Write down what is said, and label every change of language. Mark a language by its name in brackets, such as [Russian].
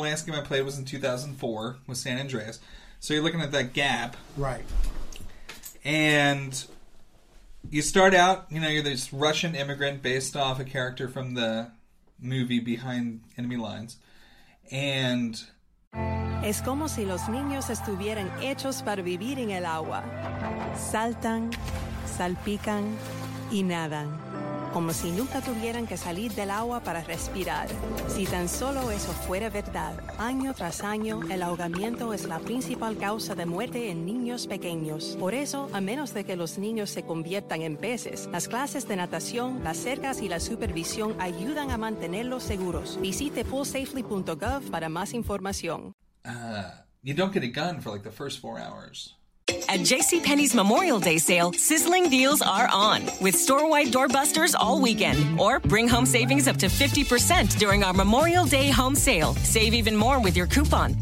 [English] The last game I played was in 2004 with San Andreas. So you're looking at that gap. Right. And you start out, you're this Russian immigrant based off a character from the movie Behind Enemy Lines. And... [Spanish] Es como si los niños estuvieran hechos para vivir en el agua. Saltan, salpican y nadan. Como si nunca tuvieran que salir del agua para respirar. Si tan solo eso fuera verdad, año tras año, el ahogamiento es la principal causa de muerte en niños pequeños. Por eso, a menos de que los niños se conviertan en peces, las clases de natación, las cercas y la supervisión ayudan a mantenerlos seguros. Visite poolsafely.gov para más información. [English] You don't get a gun for like the first 4 hours. At JCPenney's Memorial Day sale, sizzling deals are on with store-wide doorbusters all weekend. Or bring home savings up to 50% during our Memorial Day home sale. Save even more with your coupon.